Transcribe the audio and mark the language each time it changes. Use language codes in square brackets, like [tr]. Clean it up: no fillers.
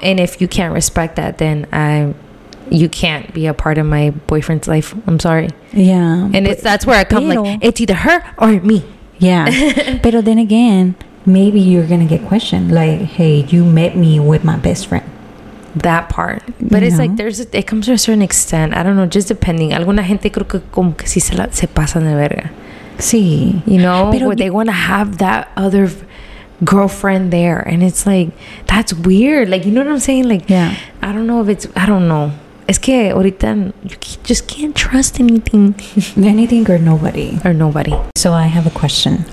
[en] And if you can't respect that, then you can't be a part of my boyfriend's life. I'm sorry. Yeah. And that's where I come, it's either her or me. Yeah. But then again, maybe you're going to get questioned. Like, hey, you met me with my best friend. that part. But it's like there's it comes to a certain extent. I don't know, just depending. [es] Alguna gente creo que como que sí se pasan de verga. Sí. [en] You know, pero where they want to have that other girlfriend there. And it's like, that's weird. Like, you know what I'm saying? Like, yeah. I don't know if it's, I don't know. Es que ahorita you just can't trust anything. Anything or nobody. Or nobody. So I have a question.